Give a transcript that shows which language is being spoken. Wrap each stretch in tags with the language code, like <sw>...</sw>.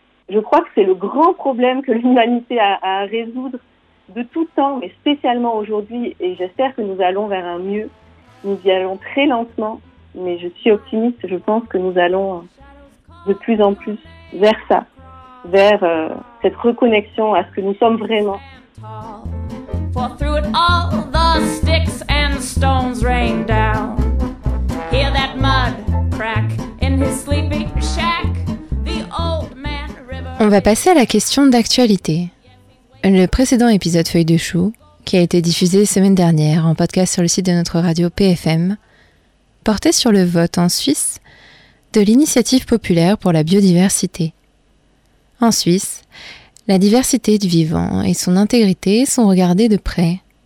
<fr>Je crois que c'est le grand problème que l'humanité a à résoudre de tout temps, mais spécialement aujourd'hui. Et j'espère que nous allons vers un mieux. Nous y allons très lentement. Mais je suis optimiste, je pense que nous allons de plus en plus vers ça, vers cette reconnexion à ce que nous sommes vraiment.</fr> <en>For through it all, the sticks and stones rain down. Hear that mud crack in his sleeping shack, the old man river.</en> <fr>On va passer à la question d'actualité. Le précédent épisode Feuille de Chou, qui a été diffusé semaine dernière en podcast sur le site de notre radio PFM, porté sur le vote en Suisse de l'initiative populaire pour la biodiversité. En Suisse, la diversité du vivant et son intégrité sont regardées de près.</fr>